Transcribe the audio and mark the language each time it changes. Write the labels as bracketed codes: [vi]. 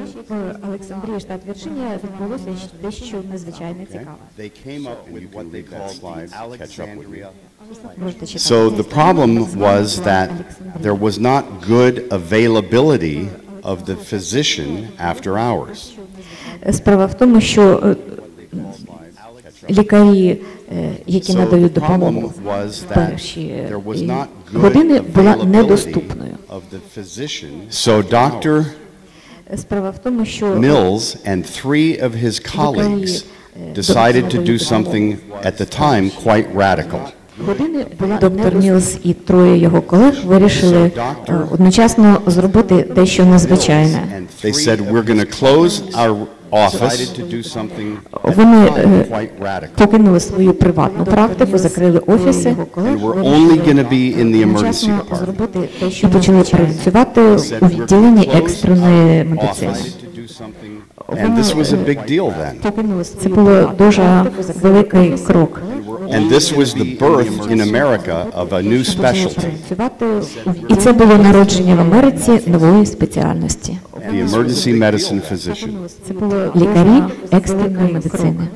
[uk] В Олександрії, штат Вірджинія, відбулося дещо надзвичайно цікаве. [en] They came up with what they called the Alexandria. So the problem was that there was not good availability of the physician after hours. [uk] Справа в тому, що лікарі, які надають допомогу в перші години, була недоступною. [en] So Dr. Mills and three of his colleagues decided to do something at the time quite radical. [uk] Доктор Мілс і троє його колег вирішили одночасно зробити дещо надзвичайне. [en] They said we're going to close our office. [uk] Вони покинули свою приватну практику, закрили офіси. [en] We're only going to be in the emergency department. [uk] І почали працювати у відділенні екстреної медицини. [en] And this was a big deal then. [uk] Це було дуже великий крок. [en] And this was the birth in America of a new specialty. [uk] І це було народження в Америці нової спеціальності. [en] The emergency medicine physician. [uk] Це було лікарі екстреної медицини.